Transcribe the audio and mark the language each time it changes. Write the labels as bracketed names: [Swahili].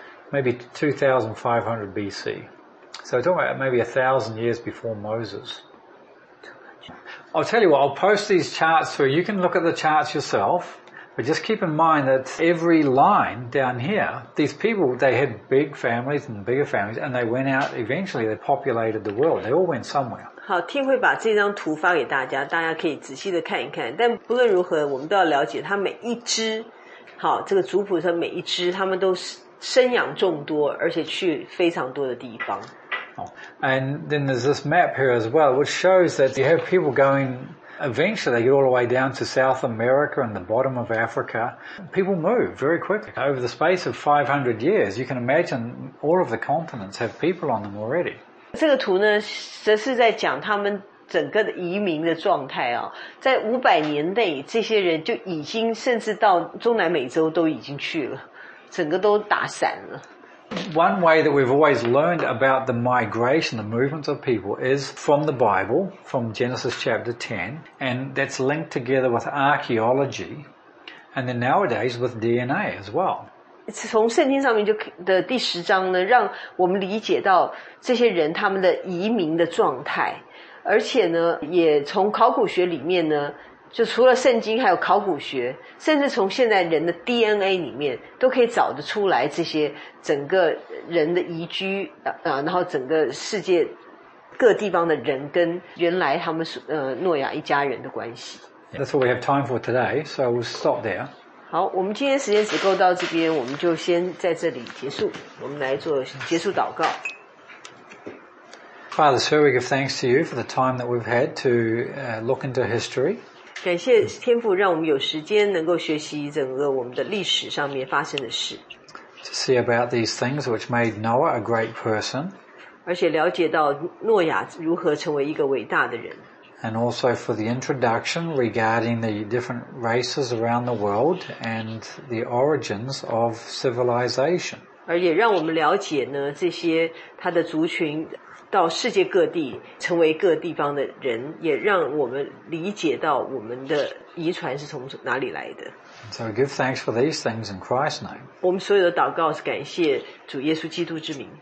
[English] Maybe 2,500 BC. So we're talking about maybe 1,000 years before Moses. I'll tell you what, I'll post these charts through. You can look at the charts yourself, but just keep in mind that every line down here, these people, they had big families and bigger families, and they went out, eventually they populated the world. They all went somewhere. [Chinese] 好 ,Tim 会把这张图发给大家，大家可以仔细的看一看。但不论如何，我们都要了解他每一只，好，这个族谱上每一只，他们都生养众多，而且去非常多的地方。 [English] And then there's this map here as well, which shows that you have people going, eventually they get all the way down to South America and the bottom of Africa. People move very quickly. Over the space of 500 years, you can imagine all of the continents have people on them already. [Chinese] 这个图呢，则是在讲他们整个的移民的状态啊。在500年内，这些人就已经甚至到中南美洲都已经去了，整个都打散了。 [English] One way that we've always learned about the migration, the movements of people, is from the Bible, from Genesis chapter 10, and that's linked together with archaeology, and then nowadays with DNA as well. [Chinese] 从圣经上面就的第十章呢，让我们理解到这些人他们的移民的状态，而且呢，也从考古学里面呢，就除了圣经还有考古学，甚至从现在人的 DNA 里面都可以找得出来这些整个人的移居然后整个世界各地方的人跟原来他们诺亚一家人的关系。 [English] That's all we have time for today, so we'll stop there. [Chinese] 好，我们今天时间只够到这边，我们就先在这里结束，我们来做结束祷告。 [English] Father, sir, we give thanks to you for the time that we've had to look into history. [Chinese] 感谢天父让我们有时间能够学习整个我们的历史上面发生的事。 [English] To see about these things which made Noah a great person. [Chinese] 而且了解到诺亚如何成为一个伟大的人。 [English] And also for the introduction regarding the different races around the world and the origins of civilization. [Chinese] 而也让我们了解呢这些他的族群到世界各地成为各地方的人，也让我们理解到我们的遗传是从哪里来的。 [English] So give thanks for these things in Christ's name. [Chinese] 我们所有的祷告是感谢主耶稣基督之名。